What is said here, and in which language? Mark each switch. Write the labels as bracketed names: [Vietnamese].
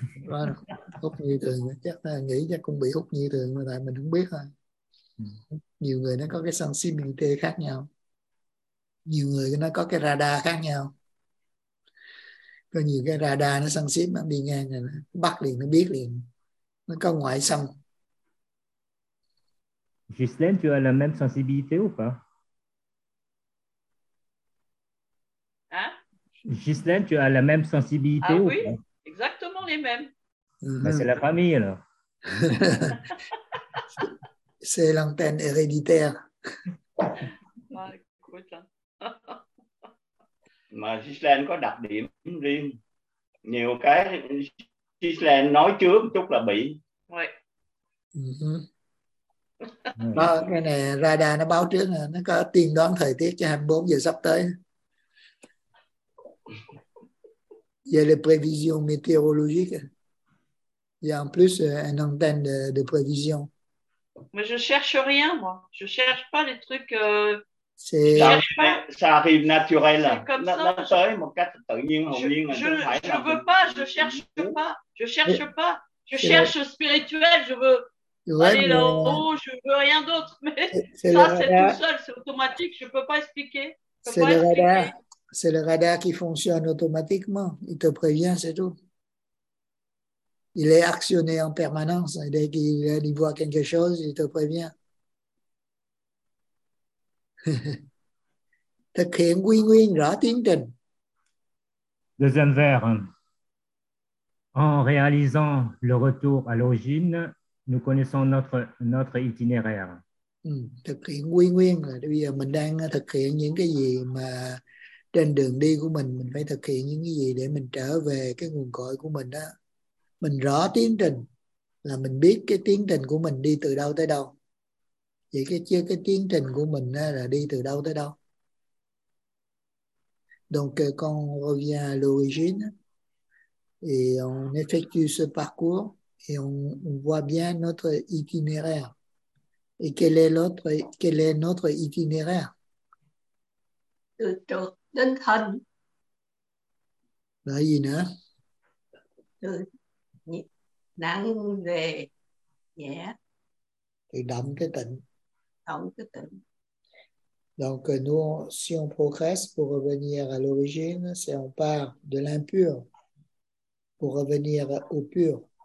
[Vietnamese] Có đâu, hút như thường, chắc là nghĩ chắc cũng bị hút như thường, tại mình không biết thôi. Nhiều người nó có cái sensibility khác nhau, nhiều người nó có cái radar khác nhau, có nhiều cái radar nó sensitive, nó đi ngang rồi nó bắt liền, nó biết liền, nó có ngoại xâm. [French] Justin, tu as la même sensibilité ou pas? Hein? Justin, tu as la même sensibilité ou pas? Ah oui, exactement les mêmes. Mm-hmm. Bah, c'est la famille alors. C'est l'antenne héréditaire. [Vietnamese] Mà Gislain có đặc điểm riêng. Nhiều cái Gislain nói trước một chút là bị. Đó, cái này radar nó báo trước, nó có tiên đoán thời tiết cho 24 giờ sắp tới. [French] Il y a les prévisions météorologiques. Il y a en plus une antenne de prévision. Mais je cherche rien, moi. Je cherche pas les trucs. C'est ça arrive naturel. C'est comme ça. Je veux pas. Je cherche pas. Je cherche pas. Je cherche spirituel. Je veux aller là-haut. Je veux rien d'autre. Mais c'est ça, c'est tout seul. C'est automatique. Je peux pas expliquer. C'est le radar qui fonctionne automatiquement. Il te prévient, c'est tout. Il est actionné en permanence. Dès qu'il voit quelque chose, il te prévient. [Vietnamese] Thực hiện quy nguyên rõ tiến trình. [French] Deuxième vers. En réalisant le retour à l'origine, nous connaissons notre itinéraire. [Vietnamese] Thực hiện quy nguyên là bây giờ mình đang thực hiện những cái gì mà trên đường đi của mình phải thực hiện những cái gì để mình trở về cái nguồn cội của mình đó. Mình rõ tiến trình là mình biết cái tiến trình của mình đi từ đâu tới đâu. Vậy cái tiến trình của mình là đi từ đâu tới đâu. [French] Donc quand on revient à l'origine et on effectue ce parcours et on voit bien notre itinéraire. et quel est l'autre, quel est notre itinéraire? Donc nous, si on progresse pour revenir à l'origine, c'est on part de l'impur pour revenir au pur.